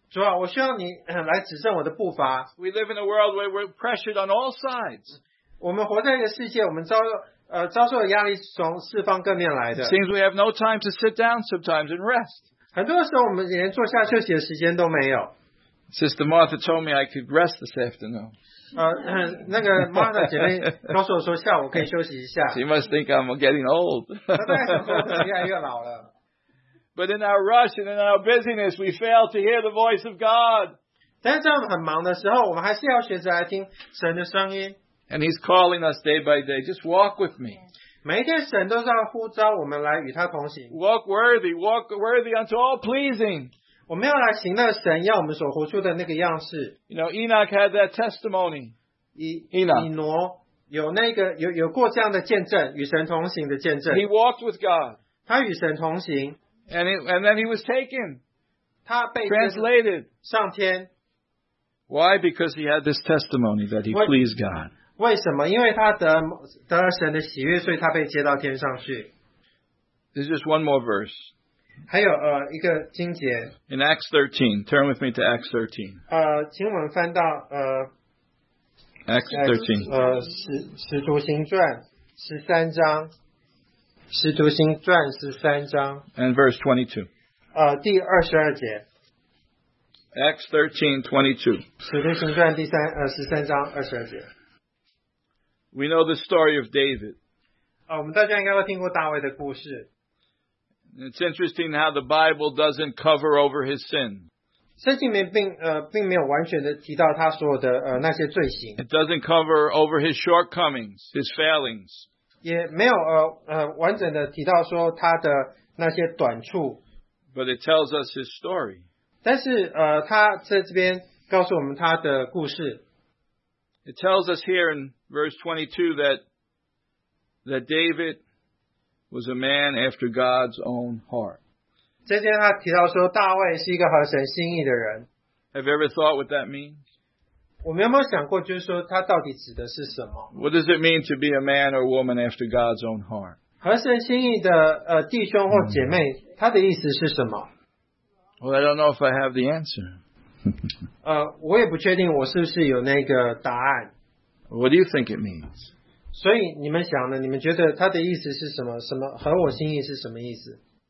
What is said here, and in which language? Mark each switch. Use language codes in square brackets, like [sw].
[zh] 主啊，我需要你来指正我的步伐。 [en] We live in a world where we're pressured on all sides. [zh] 我们活在一个世界，我们遭受的压力是从四方各面来的。 [en] It seems we have no time to sit down sometimes and rest. [zh] 很多时候我们连坐下休息的时间都没有。 [en] Sister Martha told me I could rest this afternoon. [zh] 那个 Martha 姐妹告诉我说下午可以休息一下。 [en] She must think I'm getting old. [zh] 她在想说越来越老了。 [en] But in our rush and in our busyness, we fail to hear the voice of God. [zh] 但是在我们很忙的时候，我们还是要学着来听神的声音。 [en] And He's calling us day by day. Just walk with me. [zh] 每一天神都是要呼召我们来与他同行。 [en] Walk worthy unto all pleasing. [zh] 我们要来行那神要我们所活出的那个样式。 [en] You know, Enoch had that testimony. Enoch. [zh] 以挪有那个有过这样的见证，与神同行的见证。 [en] He walked with God. [zh] 他与神同行。 [en] And then he was taken. [zh] 他被 [en] translated [zh] 上天。 [en] Why? Because he had this testimony that he pleased God. [zh] 为什么？因为他得了神的喜悦，所以他被接到天上去。 [en] There's just one more verse. [zh] 还有一个经节。 [en] In Acts 13, turn with me to Acts 13. [zh] 请我们翻到 [en] Acts 13. [zh] 使徒行传十三章。使徒行传十三章 [en] and verse 22 [zh] 第二十二节 [en] Acts 13:22 [zh] 使徒行传第三十三章二十二节 [en] We know the story of David [zh] 我们大家应该都听过大卫的故事 [en] It's interesting how the Bible doesn't cover over his sin [zh] 圣经里面并没有完全的提到他所有的那些罪行 [en] It doesn't cover over his shortcomings, his failings [zh] 也没有完整的提到说他的那些短处 [en] But it tells us his story. [zh] 但是他在这边告诉我们他的故事。 [en] It tells us here in verse 22 that David was a man after God's own heart. [zh] 这边他提到说大卫是一个合神心意的人。 [en] Have you ever thought what that means? [zh] 我们有没有想过就是说他到底指的是什么? [en] What does it mean to be a man or woman after God's own heart? [zh] 合神心意的弟兄或姐妹他的意思是什么? [en] Well, I don't know if I have the answer. [zh] 我也不确定我是不是有那个答案。 [en] What do you think it means? [zh] 所以你们想呢? 你们觉得他的意思是什么?什么合我心意是什么意思?